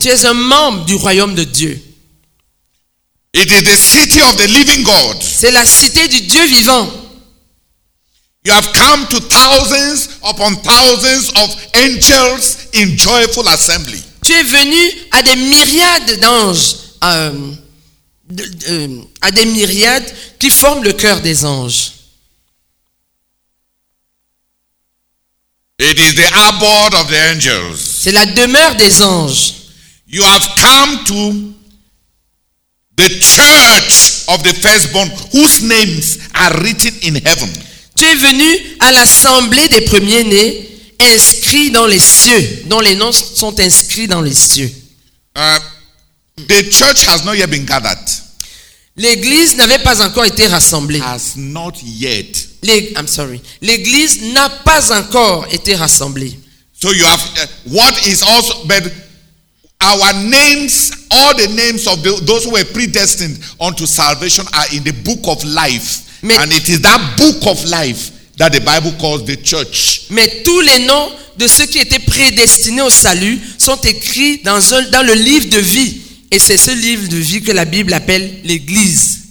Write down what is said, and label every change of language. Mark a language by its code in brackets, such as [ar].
[fr] Tu es un membre du royaume de Dieu. [en] It is the city of the living God. [fr] C'est la cité du Dieu vivant. [en] You have come to thousands upon thousands of angels in joyful assembly. [fr] Tu es venu à des myriades d'anges, à des myriades qui forment le cœur des anges. [en] It is the abode of the angels. [fr] C'est la demeure des anges. [en] You have come to the church of the firstborn, whose names are written in heaven. [fr] Tu es venu à l'assemblée des premiers-nés, inscrit dans les cieux, dont les noms sont inscrits dans les cieux. [en] The church has not yet been gathered. [fr] L'église n'avait pas encore été rassemblée. [en] Has not yet. I'm sorry. [fr] L'église n'a pas encore été rassemblée. [en] So you have what is also, but our names, all the names of those who were predestined unto salvation are in the book of life. Mais, and it is that book of life that the Bible calls the church. [fr] Mais tous les noms de ceux qui étaient prédestinés au salut sont écrits dans le livre de vie, et c'est ce livre de vie que la Bible appelle l'Église.